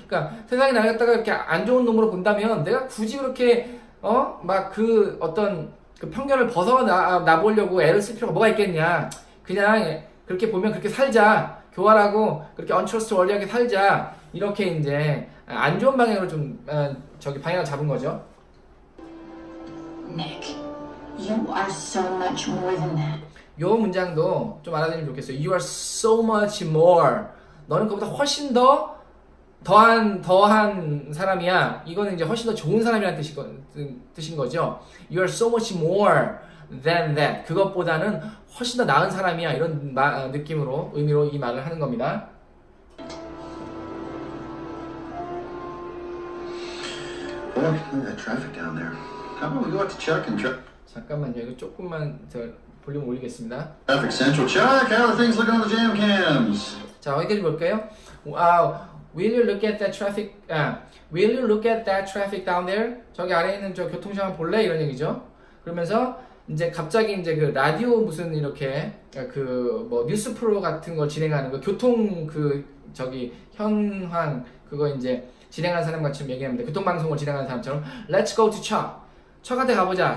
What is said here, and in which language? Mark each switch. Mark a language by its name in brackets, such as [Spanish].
[Korean] 그러니까 세상이 나를 갖다가 이렇게 안 좋은 놈으로 본다면 내가 굳이 그렇게 어? 막 그 어떤 그 편견을 벗어나 보려고 애를 쓸 필요가 뭐가 있겠냐. 그냥 그렇게 보면 그렇게 살자. 교활하고 그렇게 untrustworthy하게 살자. 이렇게 이제 안 좋은 방향으로 좀 저기 방향을 잡은 거죠. [English] Nick, you are so much more than that. [Korean] 요 문장도 좀 알아들으면 좋겠어요. [English] You are so much more. [Korean] 너는 그보다 훨씬 더 더한 사람이야. 이거는 이제 훨씬 더 좋은 사람이라는 뜻인 거죠. [English] You are so much more than that. [Korean] 그것보다는 훨씬 더 나은 사람이야. 이런 느낌으로 의미로 이 말을 하는 겁니다. [English] Boy, traffic down there. How about we go out to check and check? [Korean] 잠깐만요. 이거 조금만 더 볼륨 올리겠습니다. [English] Traffic Central, check. How are things looking on the jam cams? [Korean] 자, 어디까지 볼까요? [English] Wow. Will you look at that traffic? Will you look at that traffic down there? [Korean] 저기 아래 있는 저 교통 상황 볼래? 이런 얘기죠. 그러면서 이제 갑자기 이제 그 라디오 무슨 이렇게 그 뭐 뉴스 프로 같은 걸 진행하는 거 교통 그 저기 현황 그거 이제 진행하는 사람 같이 얘기합니다. 교통 방송을 진행하는 사람처럼 [English] Let's go to Chuck. [Korean] 척한테 가보자.